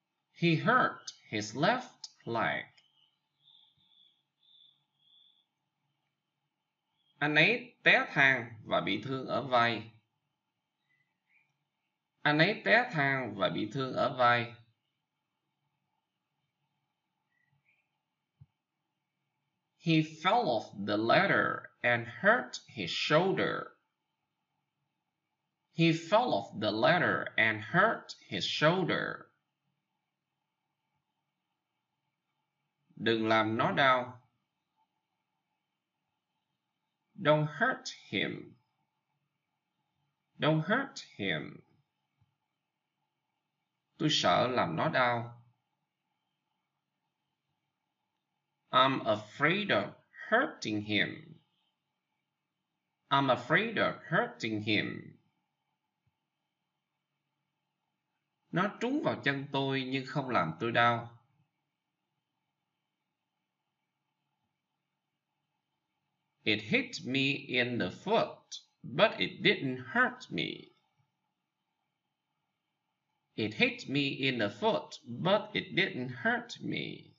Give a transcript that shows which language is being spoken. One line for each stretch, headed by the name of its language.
English: He hurt his left leg.
Vietnamese: Anh ấy té thang và bị thương ở vai. Anh ấy té thang và bị thương ở vai.
English: He fell off the ladder and hurt his shoulder. He fell off the ladder and hurt his shoulder.
Vietnamese: Đừng làm nó đau.
English: Don't hurt him. Don't hurt him.
Vietnamese: Tôi sợ làm nó đau.
English: I'm afraid of hurting him. I'm afraid of hurting him.
Vietnamese: Nó trúng vào chân tôi nhưng không làm tôi đau.
English: It hit me in the foot, but it didn't hurt me. It hit me in the foot, but it didn't hurt me.